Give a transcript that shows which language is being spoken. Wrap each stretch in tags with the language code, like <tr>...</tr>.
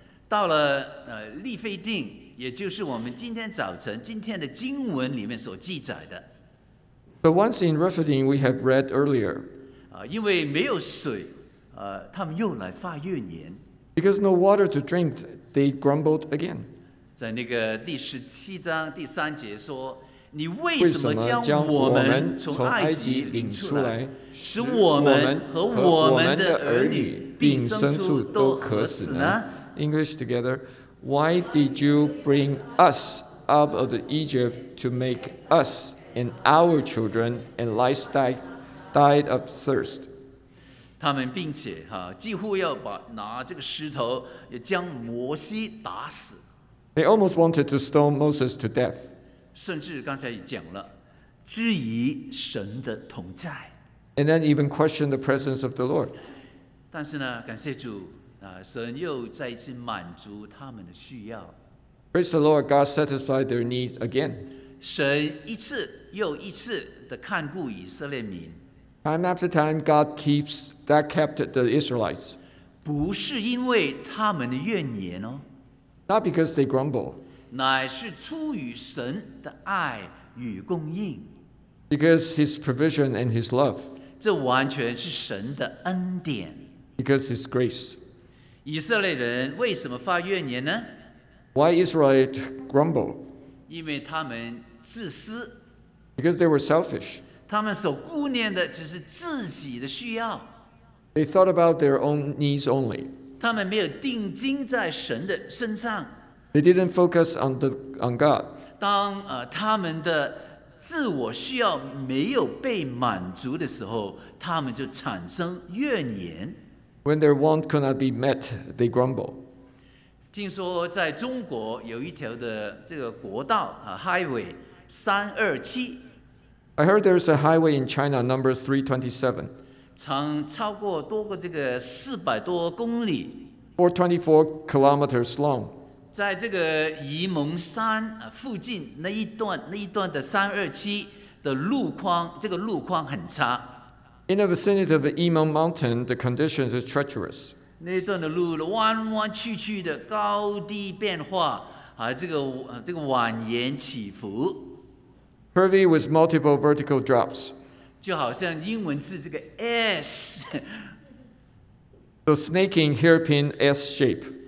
<zh>到了利非定，也就是我们今天早晨今天的经文里面所记载的。</zh> <en>But once in Rephidim, we have read earlier.</en> <zh>因为没有水，他们又来发怨言。</zh> <en>Because no water to drink, they grumbled again.</en> <zh>在那个第十七章第三节说，你为什么将我们从埃及领出来，使我们和我们的儿女并牲畜都渴死呢？</zh> <en>English together. Why did you bring us out of Egypt to make us and our children and livestock died of thirst?</en> <zh>他们并且几乎要拿这个石头也将摩西打死。</zh> <en>They almost wanted to stone Moses to death.</en> <zh>甚至刚才也讲了，质疑神的同在。</zh> <en>And then even questioned the presence of the Lord.</en> <zh>但是呢，感谢主，神又再一次满足他们的需要。</zh> <en>Praise the Lord, God satisfied their needs again.</en> <zh>神一次又一次的看顾以色列民。</zh> <en>Time after time, God keeps that kept the Israelites.</en> <zh>不是因为他们的怨言哦。</zh> <en>Not because they grumble.</en> <zh>乃是出于神的爱与供应。</zh> <en>Because his provision and his love.</en> <zh>这完全是神的恩典。</zh> <en>Because his grace.</en> <zh>以色列人为什么发怨言呢？</zh> <en>Why Israelites grumble?</en> <zh>因为他们自私。</zh> <en>Because they were selfish.</en> <zh>他们所顾念的只是自己的需要。</zh> <en>They thought about their own needs only.</en> <zh>他们没有定睛在神的身上。</zh> <en>They didn't focus on God.</en> <zh>当他们的自我需要没有被满足的时候，他们就产生怨言。</zh> <en>When their want could not be met, they grumble.</en> <zh>听说在中国有一条的这个国道Highway 327。</zh> <en>I heard there's a highway in China, number 327.</en> <zh>长超过多个这个四百多公里。</zh> <en>424 kilometers long.</en> <zh>在这个沂蒙山附近那一段的327的路况，这个路况很差。</zh> <en>In the vicinity of the Yimeng Mountain, the conditions are treacherous.</en> <zh>那段的路弯弯曲曲的，高低变化，这个蜿蜒起伏。</zh> <en>Curvy with multiple vertical drops.</en> <zh>就好像英文字这个 S.</zh> <en>So snaking hairpin S shape.</en>